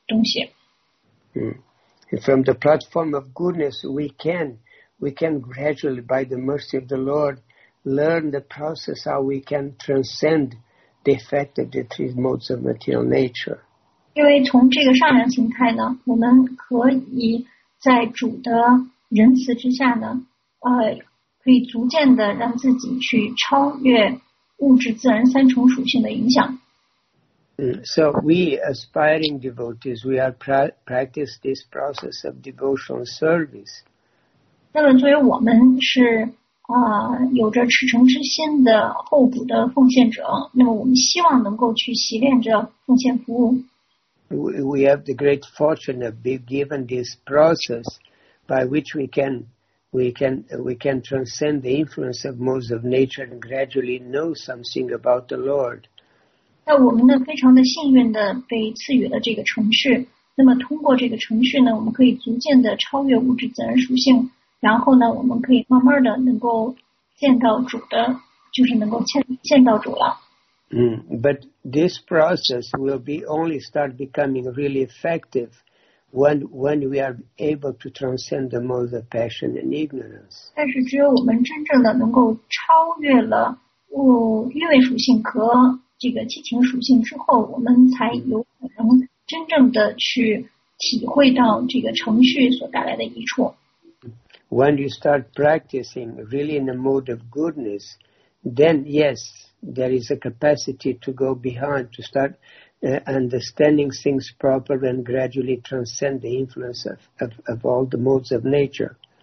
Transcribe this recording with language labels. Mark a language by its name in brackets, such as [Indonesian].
[Chinese] 但是呢，如果是处在善良形态的话呢，至少我们有一个机会，就是能够去接受主他所给予我们的东西。 [English] From the platform of goodness, we can gradually, by the mercy of the Lord, learn the process how we can transcend the effect of the three modes of material nature. [Chinese] 因为从这个善良形态呢，我们可以在主的 仁慈之下呢，可以逐渐的让自己去超越物质自然三重属性的影响。 [English] So we aspiring devotees, we are practice this process of devotional service. [Chinese] 那么作为我们是有着赤诚之心的后补的奉献者，那么我们希望能够去习练着奉献服务。 [English] We have the great fortune of being given this process by which we can transcend the influence of modes of nature and gradually know something about the Lord. [Chinese] 那我们呢，非常的幸运的被赐予了这个程序。那么通过这个程序呢，我们可以逐渐的超越物质自然属性。然后呢，我们可以慢慢的能够见到主的，就是能够见到主了。 [English] But this process will be only start becoming really effective when we are able to transcend the modes of passion and ignorance. [Chinese] 但是只有我们真正的能够超越了欲味属性和这个七情属性之后，我们才有可能真正的去体会到这个程序所带来的益处。 [English] When you start practicing really in a mode of goodness, then yes, there is a capacity to go behind, to start understanding things properly and gradually transcend the influence of all the modes of nature.